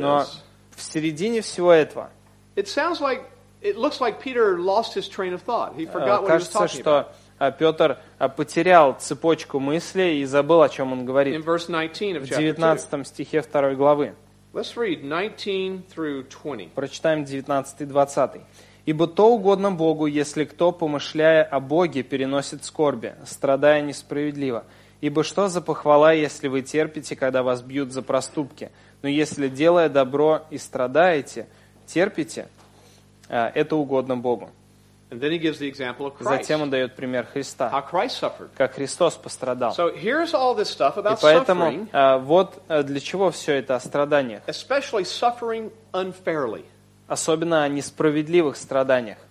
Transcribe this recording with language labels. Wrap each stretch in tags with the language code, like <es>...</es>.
<ru>но в середине всего этого,</ru> <en>it sounds like it looks like Peter lost his train of thought. He forgot what</en> <ru>кажется,</ru> <en>he was talking</en> <ru>что,</ru> <en>about.</en> <ru>Петр потерял цепочку мысли и забыл, о чем он говорит.</ru> <en>In verse 19 of chapter</en> <ru>2. В 19 стихе 2 главы.</ru> <en>Let's read 19 through 20.</en> <ru>Прочитаем 19 и 20. Ибо то угодно Богу, если кто, помышляя о Боге, переносит скорби, страдая несправедливо. Ибо что за похвала, если вы терпите, когда вас бьют за проступки? Но если, делая добро и страдаете, терпите, это угодно Богу.</ru> <en>And then he gives the example of Christ.</en> <ru>Затем он дает пример Христа.</ru> <en>How Christ suffered.</en> <ru>Как Христос пострадал.</ru> <en>So here's all this stuff about</en> <ru>и поэтому</ru> <en>suffering,</en> <ru>вот для чего все это о страданиях.</ru> <en>Especially suffering unfairly.</en> <ru>особенно о несправедливых страданиях.</ru>